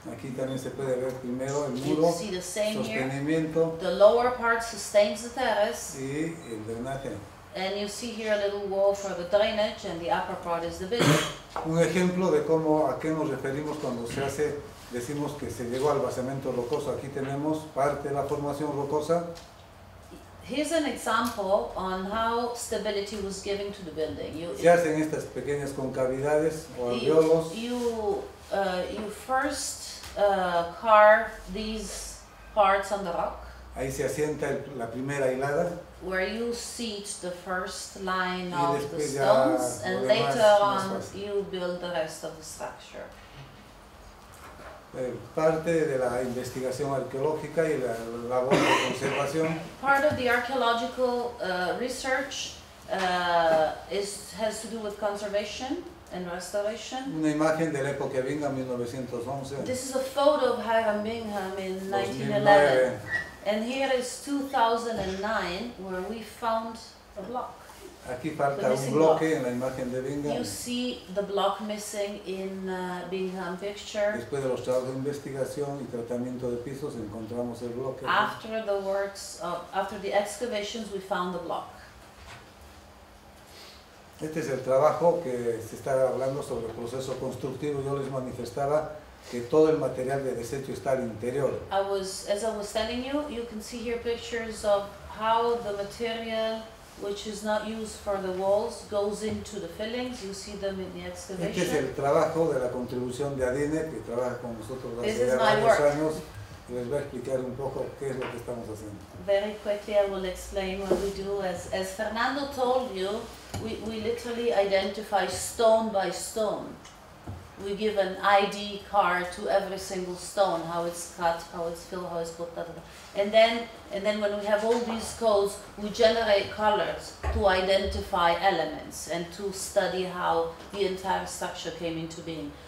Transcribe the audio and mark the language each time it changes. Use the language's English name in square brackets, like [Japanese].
[Spanish] Aquí también se puede ver primero el muro, sostenimiento. [English] Here, the lower part sustains the terrace. [Spanish] Y el drenaje. [English] And you see here a little wall for the drainage, and the upper part is the building. [Spanish] Un ejemplo de cómo a qué nos referimos cuando se hace. Decimos que se llegó al basamento rocoso. Aquí tenemos parte de la formación rocosa. [English] Here's an example on how stability was given to the building. [Spanish] Se hacen estas pequeñas concavidades o alveolos. [English] You first carve these parts on the rock. [Spanish] Ahí se asienta la primera hilada. [English] Where you seat the first line of the stones, and later on you build the rest of the structure. [Spanish] Parte de la investigación arqueológica y la labor de conservación. [English] Part of the archaeological research has to do with conservation and restoration. [Spanish] Una imagen de la época Bingham, 1911. [English] This is a photo of Hiram Bingham in 1911. And here is 2009, where we found a block. [Spanish] Aquí falta un bloque en la imagen de Bingham. [English] You see the block missing in Bingham picture. [Spanish] Después de los trabajos de investigación y tratamiento de pisos encontramos el bloque. [English] After the works of, after the excavations, we found the block. [Spanish] Este es el trabajo que se está hablando sobre el proceso constructivo. Yo les manifestaba que todo el material de desecho está al interior. [English] As I was telling you, you can see here pictures of how the material which is not used for the walls goes into the fillings. You see them in the excavation. [Spanish] Este es el trabajo de la contribución de Adine, que trabaja con nosotros hace varios años. Les voy a explicar un poco qué es lo que estamos haciendo. [English] Very quickly I will explain what we do. As Fernando told you, we literally identify stone by stone. We give an ID card to every single stone, how it's cut, how it's filled, how it's put, blah, blah, blah. And then when we have all these codes, we generate colors to identify elements and to study how the entire structure came into being.